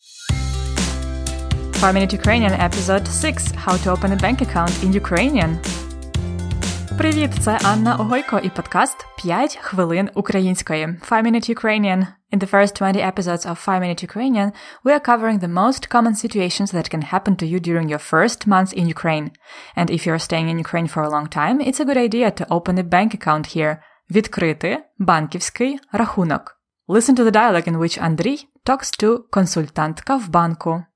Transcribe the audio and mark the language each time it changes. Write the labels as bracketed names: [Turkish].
[English] 5-Minute Ukrainian Episode 6 – How to open a bank account in Ukrainian. [Ukrainian] Привіт, це Анна Огойко і подкаст «5 хвилин української» – 5-Minute Ukrainian. [English] In the first 20 episodes of 5-Minute Ukrainian, we are covering the most common situations that can happen to you during your first months in Ukraine. And if you're staying in Ukraine for a long time, it's a good idea to open a bank account here. [Ukrainian] Відкрити банківський рахунок. [English] Listen to the dialogue in which Андрій talks to [Ukrainian] консультантка в банку.